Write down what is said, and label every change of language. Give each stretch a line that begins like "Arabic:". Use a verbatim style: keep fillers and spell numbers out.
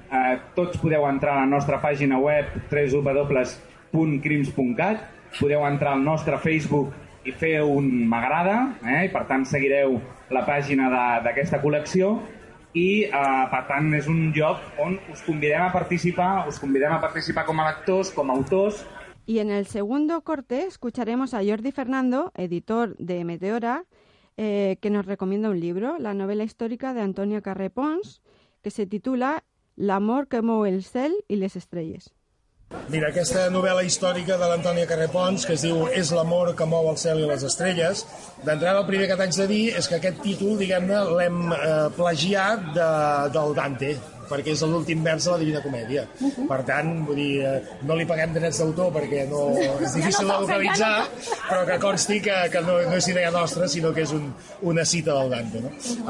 Catalan: Eh, tots podeu entrar a la nostra pàgina web doble u doble u doble u punt crims punt cat. Podeu entrar al nostre Facebook i fer un m'agrada, eh? I per tant seguireu la pàgina de, d'aquesta col·lecció i eh, per tant és un lloc on us convidem a participar, us convidem a participar com a lectors, com a autors.
Spanish: Y en el segundo corte escucharemos a Jordi Fernando, editor de Meteora, eh, que nos recomienda un libro, la novela histórica de Antonio Carré Pons, que se titula L'amor que mou el cel y les estrelles.
Catalan: Mira, aquesta novel·la històrica de l'Antònia Carré Pons, que es diu És l'amor que mou el cel i les estrelles, d'entrada el primer que t'haig de dir és que aquest títol, diguem-ne, l'hem eh, plagiat de, del Dante, perquè és l'últim vers de la Divina Comèdia. Uh-huh. Per tant, vull dir, eh, no li paguem drets d'autor perquè no, és difícil de localitzar, però que consti que, que no, no és idea nostra, sinó que és un, una cita del Dante. No? Uh-huh.